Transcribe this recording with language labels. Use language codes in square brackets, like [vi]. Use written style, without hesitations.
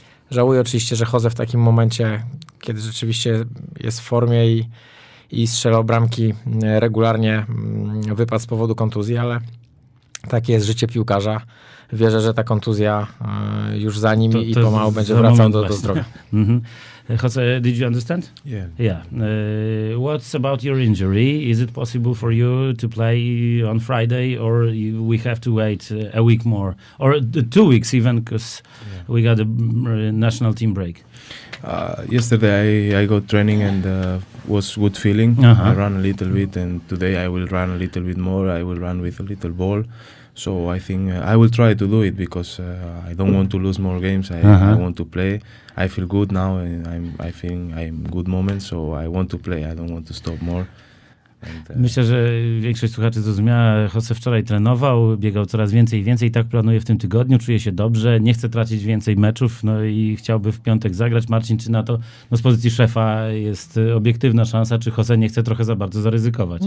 [pl] Żałuję oczywiście, że chodzę w takim momencie, kiedy rzeczywiście jest w formie i strzela bramki regularnie, wypad z powodu kontuzji, ale takie jest życie piłkarza. Wierzę, że ta kontuzja już za nimi i pomału będzie wracał do zdrowia. [en] Jose, did you understand? Yeah. Yeah. What's about your injury? Is it possible for you to play on Friday, or we have to wait a week more, or 2 weeks even, because we got a national team break? Yesterday I got training and was good feeling. Uh-huh. I ran a little bit, and today I will run a little bit more. I will run with a little ball. So I think I will try to do it, because I don't want to lose more games. I want to play. I feel good now, and I'm good moment, so I want to play. I don't want to stop more. [pl] Myślę, że większość słuchaczy zrozumiała. Jose wczoraj trenował, biegał coraz więcej i więcej. Tak planuje w tym tygodniu, czuje się dobrze, nie chce tracić więcej meczów, no i chciałby w piątek zagrać. Marcin, czy na to z pozycji szefa jest obiektywna szansa, czy Jose nie chce trochę za bardzo zaryzykować?